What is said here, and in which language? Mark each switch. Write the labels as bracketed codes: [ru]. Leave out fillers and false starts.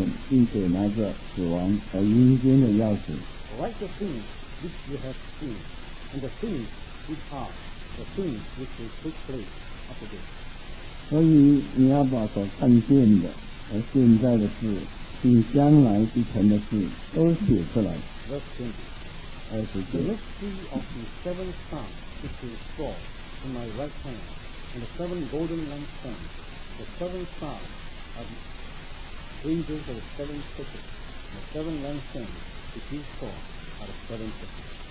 [zh] 我曾死过，现在又活了，是活到永永远远，并且拿着死亡和阴间的钥匙。 [en] Write the things which you have seen, and the things which are, the things which will take place after this. [zh] 所以你要把所看见的和现在的事，并将来必成的事都写出来。 [en] Verse 20. The mystery of the seven stars which you saw in my right hand, and the seven golden lampstands, the seven stars are the angels of the seven churches, and the seven lampstands which you saw are the seven churches.